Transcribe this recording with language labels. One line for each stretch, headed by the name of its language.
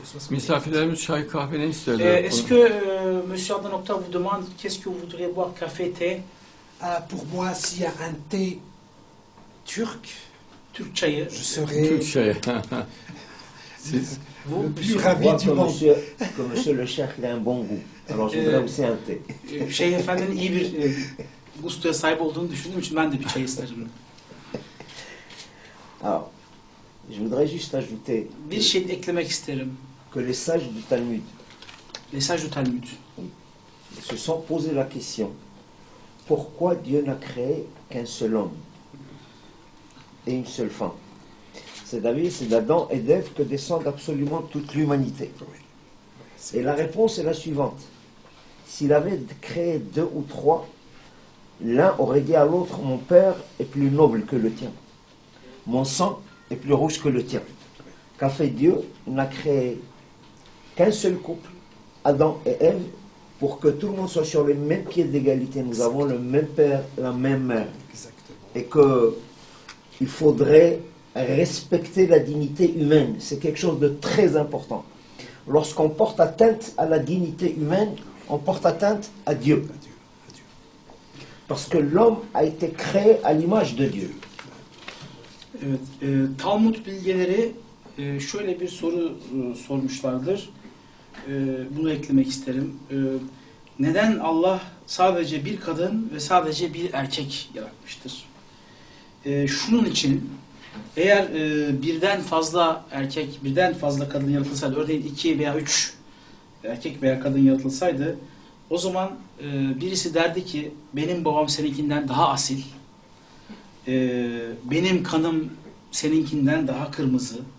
Turkish: Misafirlerimiz çay kahve ne istiyorlar?
French: Est-ce que monsieur Adnan Oktar vous demande qu'est-ce que vous voudriez boire, café, thé? Pour moi, s'il y a un thé turc,
Turkish: Türk çayı.
French: Je serai
Turkish: Türk çayı. Siz bu bir ravi du monde.
French: Monsieur le chef d'un bon goût. Alors je voudrais aussi un thé.
Turkish: Şey efendim iyi bir gustoya sahip olduğunu düşündüğüm için ben de bir çay isterim.
French: Alors, je voudrais juste ajouter
Turkish: bir şey eklemek isterim.
French: Que les sages du Talmud. Les sages du Talmud. Se sont posé la question. Pourquoi Dieu n'a créé qu'un seul homme? Et une seule fin. C'est David, c'est d'Adam et d'Ève que descendent absolument toute l'humanité. Et la réponse est la suivante. S'il avait créé deux ou trois, l'un aurait dit à l'autre, mon père est plus noble que le tien. Mon sang est plus rouge que le tien. Qu'a fait Dieu ? Il n'a créé qu'un seul couple, Adam et Ève, pour que tout le monde soit sur les mêmes pieds d'égalité. Nous avons le même père, la même mère. Et que il faudrait respecter la dignité humaine. C'est quelque chose de très important. lorsqu'on porte atteinte à la dignité humaine, on porte atteinte à Dieu. Parce que l'homme a été créé à l'image de Dieu.
Turkish: Evet, Talmud bilgeleri şöyle bir soru sormuşlardır. Bunu eklemek isterim. Neden Allah sadece bir kadın ve sadece bir erkek yaratmıştır? Şunun için, eğer birden fazla erkek, birden fazla kadın yaratılsaydı, örneğin iki veya üç erkek veya kadın yaratılsaydı, o zaman birisi derdi ki, benim babam seninkinden daha asil, benim kanım seninkinden daha kırmızı.